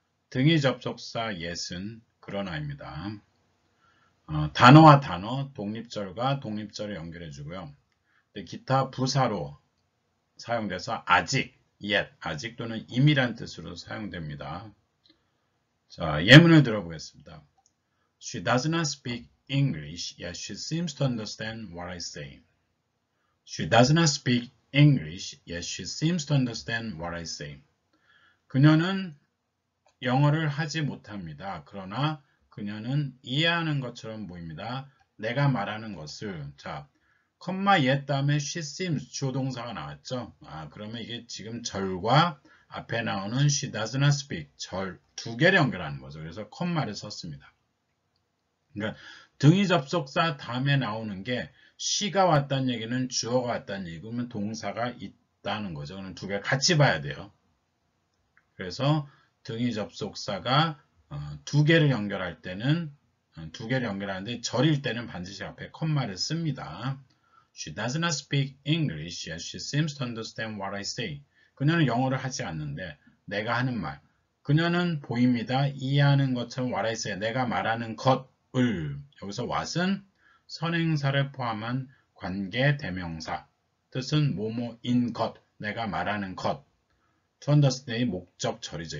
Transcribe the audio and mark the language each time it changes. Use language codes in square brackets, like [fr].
[ko] 등의 접속사 yes은 그러나입니다. 단어와 단어, 독립절과 독립절을 연결해주고요. 기타 부사로 사용돼서 아직, yet, 아직 또는 임이란 뜻으로 사용됩니다. 자, 예문을 들어보겠습니다. [en] She does not speak English, yet she seems to understand what I say. She does not speak English, yet she seems to understand what I say. [ko] 그녀는 영어를 하지 못합니다. 그러나 그녀는 이해하는 것처럼 보입니다. 내가 말하는 것을. 자, 콤마 yet 다음에 she seems 주어동사가 나왔죠. 아, 그러면 이게 지금 절과 앞에 나오는 she does not speak 절두 개를 연결하는 거죠. 그래서 콤마를 썼습니다. 그러니까 등이 접속사 다음에 나오는 게 she가 왔다는 얘기는 주어가 왔다는 얘기면 동사가 있다는 거죠. 그럼 두 개를 같이 봐야 돼요. 그래서 등이 접속사가 두 개를 연결할 때는 두 개를 연결하는데 절일 때는 반드시 앞에 콤마를 씁니다. [en] She does not speak English, yet she seems to understand what I say. [ko] 그녀는 영어를 하지 않는데 내가 하는 말. 그녀는 보입니다. 이해하는 것처럼 [en] what I say. [ko] 내가 말하는 것을. 여기서 what은 선행사를 포함한 관계 대명사. 뜻은 뭐뭐인 것. 내가 말하는 것. To understand의 목적 절이죠.